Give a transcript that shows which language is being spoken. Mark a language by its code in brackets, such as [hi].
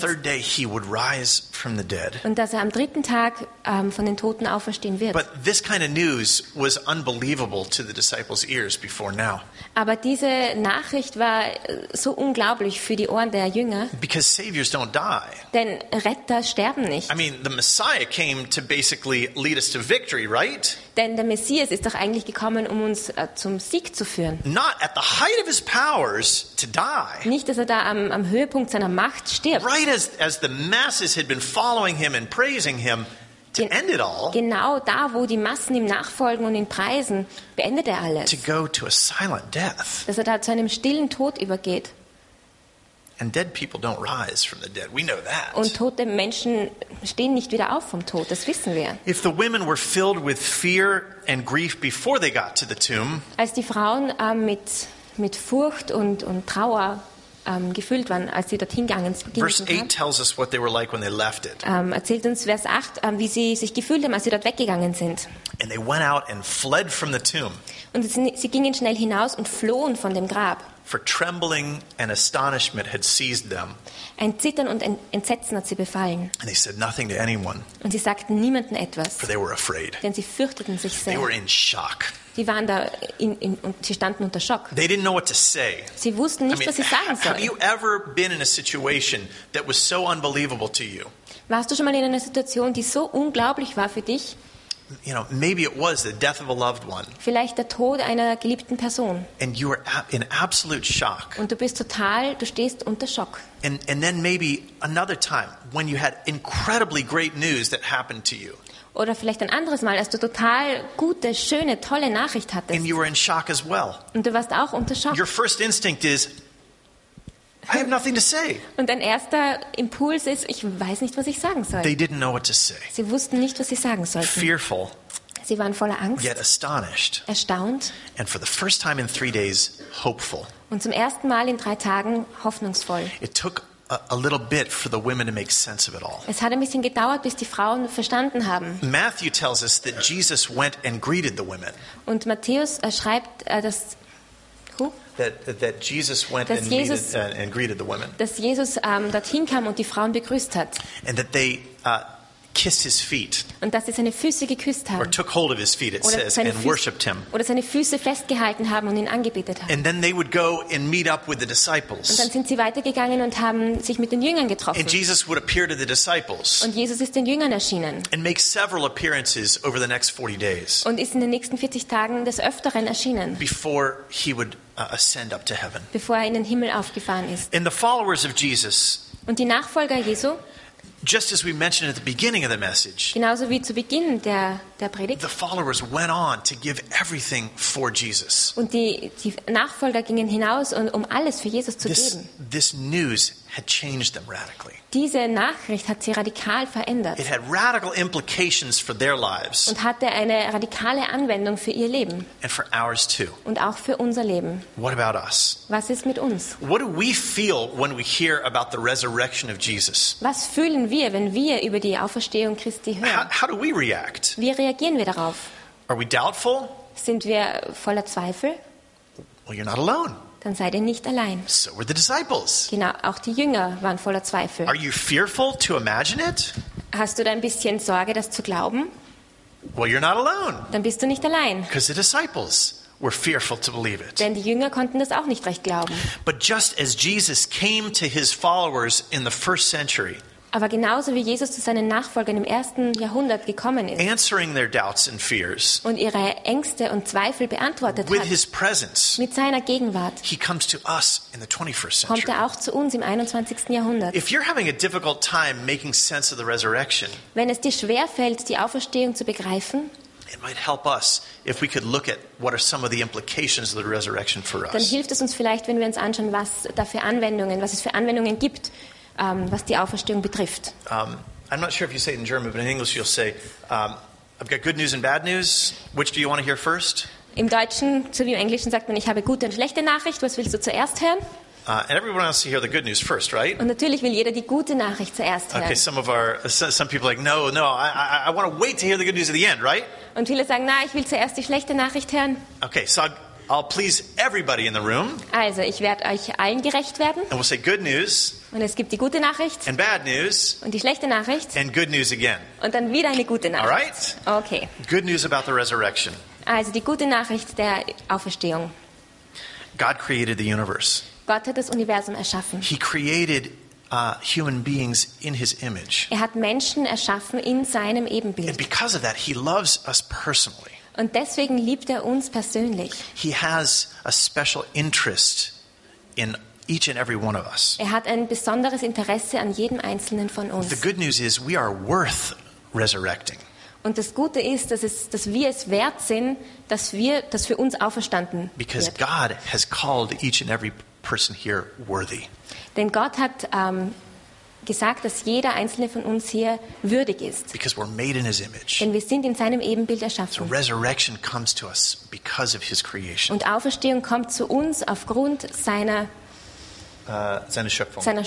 [en] That on the third day he would rise from the dead. [de] Und dass er am dritten Tag von den Toten auferstehen wird. [en] But this kind of news was unbelievable to the disciples' ears before now. [de] Aber diese Nachricht war so unglaublich für die Ohren der Jünger. [en] Because saviors don't die. [de] Denn Retter sterben nicht. [en] I mean, the Messiah came to basically lead us to victory, right? [de] Denn der Messias ist doch eigentlich gekommen, um uns zum Sieg zu führen. [en] Not at the height of his powers to die. [de] Nicht, dass er da am Höhepunkt seiner Macht stirbt. [en] Right as the masses had been following him and praising him. To end it all, [de] genau da, wo die Massen ihm nachfolgen und ihn preisen, beendet er alles. [en] To go to a silent death. [de] Dass er da zu einem stillen Tod übergeht. [en] And dead people don't rise from the dead. We know that. [de] Und tote Menschen stehen nicht wieder auf vom Tod. Das wissen wir. [en] If the women were filled with fear and grief before they got to the tomb. [de] Als die Frauen mit Furcht und Trauer gefüllt waren, als sie dorthin gegangen sind. [en] Verse 8 tells us what they were like when they left it. [de] Erzählt uns Vers 8, wie sie sich gefühlt haben, als sie dort weggegangen sind. [en] And they went out and fled from the tomb. [de] Und sie gingen schnell hinaus und flohen von dem Grab. [en] For trembling and astonishment had seized them. [de] Ein Zittern und Entsetzen hat sie befallen. [en] And they said nothing to anyone. [de] Und sie sagten niemanden etwas. [en] For they were afraid. [de] Denn sie fürchteten sich sehr. [en] They were in shock. [de] Die waren da in und sie standen unter Schock. [en] They didn't know what to say. [de] Sie wussten nicht, [en] I mean, [de] was sie sagen sollen. [en] Have you ever been in a situation that was so unbelievable to you? [de] Warst du schon mal in einer Situation, die so unglaublich war für dich? [en] You know, maybe it was the death of a loved one. [de] Vielleicht der Tod einer geliebten Person. [en] And you were in absolute shock. [de] Und du bist total, du stehst unter Schock. [en] And then maybe another time when you had incredibly great news that happened to you. [de] Oder vielleicht ein anderes Mal, als du total gute, schöne, tolle Nachricht hattest. [en] And you were in shock as well. [de] Und du warst auch unter Schock. [en] Your first instinct is, I have nothing to say. [de] Und dein erster Impuls ist, ich weiß nicht, was ich sagen soll. [en] They didn't know what to say. [de] Sie wussten nicht, was sie sagen sollten. [en] Fearful. [de] Sie waren voller Angst. [en] Yet astonished. [de] Erstaunt. [en] And for the first time in 3 days, hopeful. [de] Und zum ersten Mal in 3 Tagen hoffnungsvoll. [en] It took a little bit for the women to make sense of it all. [de] Es hat ein bisschen gedauert, bis die Frauen verstanden haben. [en] Matthew tells us that Jesus went and greeted the women. [de] Und Matthäus schreibt, dass [en] Jesus went and greeted the women. [de] Dass Jesus dorthin kam und die Frauen begrüßt hat. [en] And that they kissed his feet. [de] Und dass sie seine Füße geküsst haben. [en] Or took hold of his feet, it [de] oder [en] says, and worshipped him. [de] Oder seine Füße festgehalten haben und ihn angebetet haben. [en] And then they would go and meet up with the disciples. [de] Und dann sind sie weitergegangen und haben sich mit den Jüngern getroffen. [en] And Jesus would appear to the disciples. [de] Und Jesus ist den Jüngern erschienen. [en] And make several appearances over the next 40 days. [de] Und ist in den nächsten 40 Tagen des Öfteren erschienen. [en] Before he would ascend up to heaven. [de] Bevor er in den Himmel aufgefahren ist. [en] And the followers of Jesus. [de] Und die Nachfolger Jesu. [en] Just as we mentioned at the beginning of the message. [de] Genauso wie zu Beginn der Predigt. [en] The followers went on to give everything for Jesus. [de] Und die Nachfolger gingen hinaus und um alles für Jesus zu geben. [en] This news had changed them radically. [de] Diese Nachricht hat sie radikal verändert. [en] It had radical implications for their lives. [de] Und hatte eine radikale Anwendung für ihr Leben. [en] And for ours too. [de] Und auch für unser Leben. [en] What about us? [de] Was ist mit uns? [en] What do we feel when we hear about the resurrection of Jesus? [de] Was fühlen wir, wenn wir über die Auferstehung Christi hören? [en] How do we react? [de] Wie reagieren wir darauf? [en] Are we doubtful? [de] Sind wir voller Zweifel? [en] Well, you're not alone. [de] Dann seid ihr nicht allein. [en] So were the disciples. [de] Genau, auch die Jünger waren voller Zweifel. [en] Are you fearful to imagine it? [de] Hast du da ein bisschen Sorge, das zu glauben? [en] Well, you're not alone. [de] Dann bist du nicht allein. [en] Because the disciples were fearful to believe it. [de] Denn die Jünger konnten das auch nicht recht glauben. [en] But just as Jesus came to his followers in the first century. [de] Aber genauso wie Jesus zu seinen Nachfolgern im ersten Jahrhundert gekommen ist. [en] Answering their doubts and fears. [de] Und ihre Ängste und Zweifel beantwortet [en] with [de] hat. [en] His presence, [de] mit seiner Gegenwart. [en] He comes to us in the 21st century. [de] Kommt er auch zu uns im 21. Jahrhundert. [en] If you're having a difficult time making sense of the resurrection. [de] Wenn es dir schwer fällt, die Auferstehung zu begreifen. [en] It might help us if we could look at what are some of the implications of the resurrection for us. [de] Dann hilft es uns vielleicht, wenn wir uns anschauen, was da für Anwendungen, was es für Anwendungen gibt. Was die Auferstehung betrifft. [en] I'm not sure if you say it in German, but in English you'll say, I've got good news and bad news. Which do you want to hear first? [de] Im Deutschen, so wie im Englischen, sagt man, ich habe gute und schlechte Nachricht. Was willst du zuerst hören? [en] And everyone wants to hear the good news first, right? [de] Und natürlich will jeder die gute Nachricht zuerst hören. [en] Okay, some people are like, no, I want to wait to hear the good news at the end, right? [de] Und viele sagen, ich will zuerst die schlechte Nachricht hören. [en] Okay, so I'll please everybody in the room. [de] Also, ich werde euch allen gerecht werden. [en] And we'll say good news. [de] Und es gibt die gute Nachricht. [en] And bad news. [de] Und die schlechte Nachricht. [en] And good news again. [de] Und dann wieder eine gute Nachricht. [en] All right. [de] Okay. [en] Good news about the resurrection. [de] Also die gute Nachricht der Auferstehung. [en] God created the universe. [de] Gott hat das Universum erschaffen. [en] He created human beings in his image. [de] Er hat Menschen erschaffen in seinem Ebenbild. [en] And because of that, he loves us personally. [de] Und deswegen liebt er uns persönlich. [en] He has a special interest in each and every one of us. [de] Er hat ein besonderes Interesse an jedem einzelnen von uns. [en] The good news is we are worth resurrecting. [de] Und das Gute ist, dass wir es wert sind, dass für uns auferstanden wird. [en] Because God has called each and every person here worthy. [de] Denn Gott hat gesagt, dass jeder einzelne von uns hier würdig ist. [en] Because we're made in his image. [de] Denn wir sind in seinem Ebenbild erschaffen. [en] So resurrection comes to us because of his creation. [de] Und Auferstehung kommt zu uns aufgrund seiner Schöpfung.